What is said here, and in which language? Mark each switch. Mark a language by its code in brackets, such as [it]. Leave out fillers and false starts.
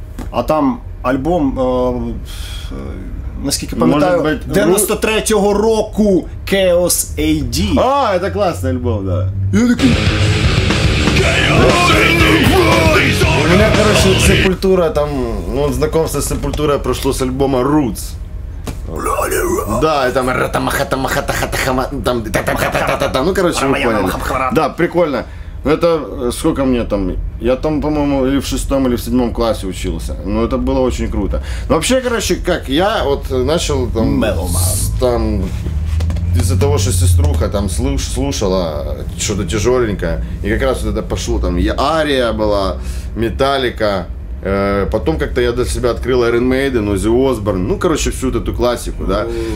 [uk] А там альбом, наскільки пам'ятаю, 93-го року Chaos AD. А, це класний альбом, да. Я такий... У мене, короче, Sepultura, там, ну, знакомство з Sepultura пройшло з альбома Roots. Да, і там ратамахатамахатахатахама, ну, короче, ми поняли. Да, прикольно. [ru] Ну, это сколько мне там, я там, по-моему, или в шестом, или в седьмом классе учился. Ну, это было очень круто. Но вообще, короче, как я вот начал там, там из-за того, что сеструха там слушала что-то тяжеленькое, и как раз вот это пошло, там, и Ария была, Металлика, потом как-то я для себя открыл Iron Maiden, Ozzy Osbourne, ну, короче, всю эту классику, да.